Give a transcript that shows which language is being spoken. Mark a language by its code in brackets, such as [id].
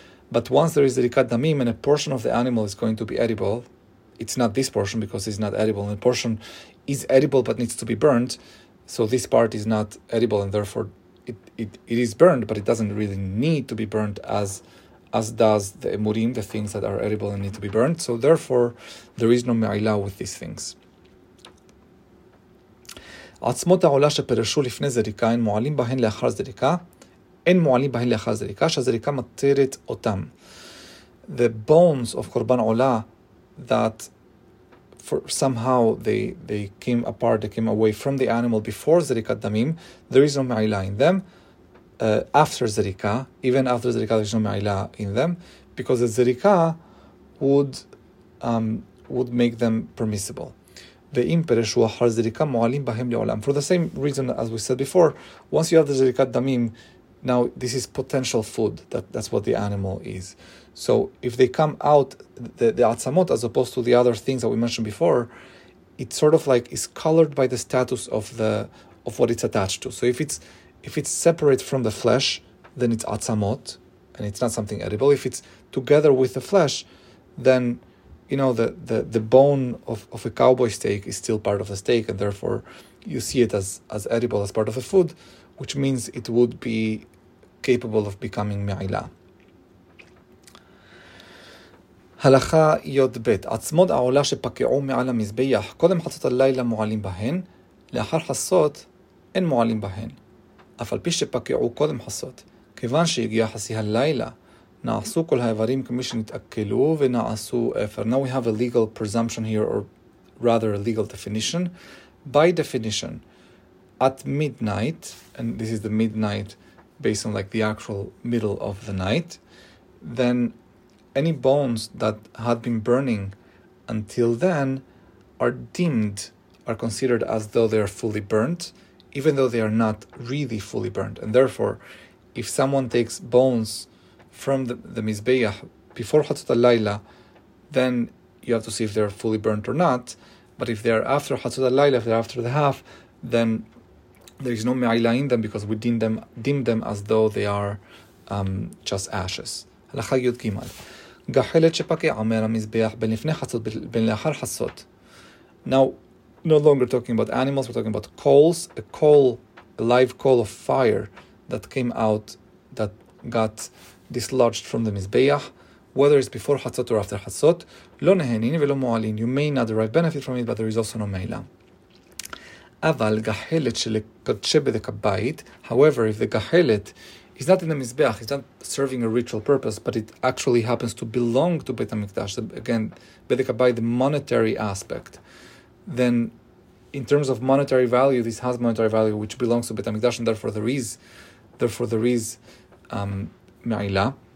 [en] But once there is a rikat damim and a portion of the animal is going to be edible, it's not this portion because it's not edible, and a portion is edible but needs to be burnt, so this part is not edible, and therefore it is burnt, but it doesn't really need to be burnt as does the emurim, the things that are edible and need to be burnt. So therefore, there is no me'ila with these things. [he] עצמות העולה שפרשו לפני זריקה, אין מועלים בהן לאחר זריקה, אין מועלים בהן לאחר זריקה, שהזריקה מתרת אותם. [en] The bones of korban olah that for somehow they came apart, they came away from the animal before zrikat damim, there is no me'ila in them. After zrika, even after zrika, there's no ma'ila in them, because the zrika would make them permissible. [he] Ve'im pereshu achar zrika mo'alim bahem le'olam. [en] For the same reason as we said before, once you have the zrikat damim, now this is potential food. That's what the animal is. So if they come out the atzamot, as opposed to the other things that we mentioned before, it's sort of like is colored by the status of what it's attached to. So if it's separate from the flesh, then it's atzamot, and it's not something edible. If it's together with the flesh, then, you know, the bone of a cowboy steak is still part of the steak, and therefore you see it as edible, as part of the food, which means it would be capable of becoming me'ila. [he] הלכה יוד בית, עצמות העולה שפקעו מעל המזבח, קודם חצות הלילה מועלים בהן, לאחר חסות אין מועלים בהן. אף על פי שפקעו קודם חסות, כיוון שהגיע חסי הלילה, נעשו כל האיברים כמי שנתעכלו ונעשו אפר. [en] Now we have a legal presumption here, or rather a legal definition. By definition, at midnight, and this is the midnight based on like the actual middle of the night, then any bones that had been burning until then are considered as though they are fully burnt, even though they are not really fully burnt. And therefore, if someone takes bones from the Mizbeah before Chatzot HaLaila, then you have to see if they are fully burnt or not. But if they are after Chatzot HaLaila, if they are after the half, then there is no Me'ila in them, because we deem them as though they are just ashes. [he] הלכה יוד גימל, גחלת שפקעה מעל המזבח בין לפני חצות בין לאחר חצות. [en] Now, no longer talking about animals, we're talking about coals, a coal, a live coal of fire that came out, that got dislodged from the Mizbeach, whether it's before Chatzot or after Chatzot, [he] לא נהנין ולא מועלין, [en] you may not derive benefit from it, but there is also no מעילה. [he] אבל גחלת שלקדשה בדק הבית, [en] however, if the גחלת is not in the Mizbeach, it's not serving a ritual purpose, but it actually happens to belong to Beit HaMikdash, again, בדק הבית, the monetary aspect, then in terms of monetary value, this has monetary value, which belongs to Beit HaMikdash, and therefore there is Me'ila.